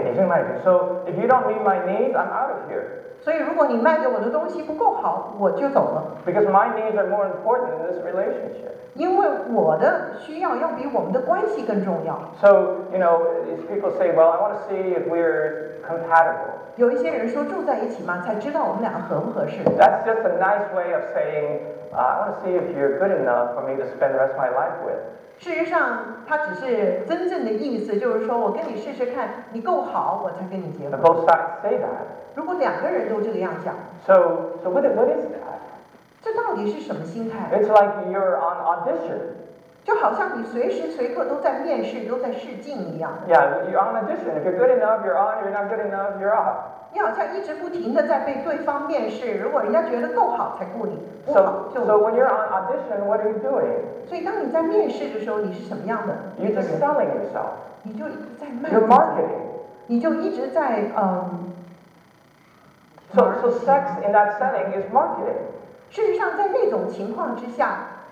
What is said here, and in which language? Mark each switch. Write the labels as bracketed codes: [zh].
[zh] 对，你是卖主。 [en] So if you don't meet my needs, I'm out of here. [zh] 所以如果你卖给我的东西不够好，我就走了。 [en] Because my needs are more important than this relationship. [zh] 因为我的需要要比我们的关系更重要。 [en] So you know, these people say, well, I want to see if we're compatible. [zh] 有一些人说住在一起嘛，才知道我们俩合不合适。 [en] That's just a nice way of saying, I want to see if you're good enough for me to spend the rest of my life with. [zh] 事实上，它只是真正的意思，就是说我跟你试试看，你够好，我才跟你结婚。 [en] Both sides say that. [zh] 如果两个人都这个样讲。 [en] So what is that? [zh] 这到底是什么心态？ [en] It's like you're on audition. [zh] 就好像你随时随刻都在面试，都在试镜一样。 [en] Yeah, you're on audition. If you're good enough, you're on. If you're not good enough, you're off. [zh] 你好像一直不停的在被对方面试，如果人家觉得够好才雇你，不好就。 [en] So when you're on audition, what are you doing? [zh] 所以当你在面试的时候，你是什么样的？ [en] You're just selling yourself. [zh] 你就在卖。 [en] You're marketing. [zh] 你就一直在 [en] So sex in that setting is marketing. [zh] 事实上，在那种情况之下。